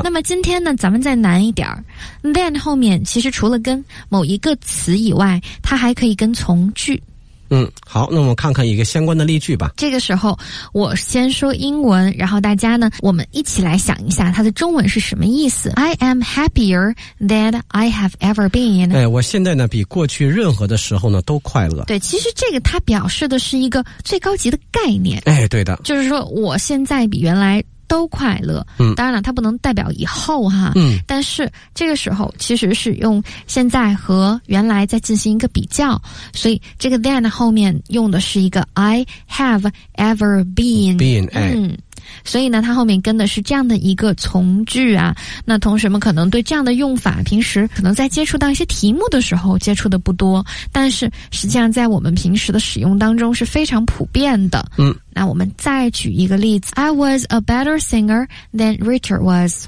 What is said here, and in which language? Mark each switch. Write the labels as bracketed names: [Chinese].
[Chinese] 那么今天呢，咱们再难一点儿 ，than 后面其实除了跟某一个词以外，它还可以跟从句。好，那我们看看一个相关的例句吧。这个时候我先说英文，然后大家呢，我们一起来想一下它的中文是什么意思。 [English] I am happier than I have ever been。 [Chinese] 哎，我现在呢比过去任何的时候呢都快乐。对，其实这个它表示的是一个最高级的概念。哎，对的。就是说我现在比原来都快乐，当然了它不能代表以后哈，但是这个时候其实是用现在和原来在进行一个比较，所以这个 than 后面用的是一个 [English] I have ever been, been。 [Chinese] 所以呢它后面跟的是这样的一个从句啊。那同学们可能对这样的用法平时可能在接触到一些题目的时候接触的不多，但是实际上在我们平时的使用当中是非常普遍的。那我们再举一个例子。 [English] I was a better singer than Richard was。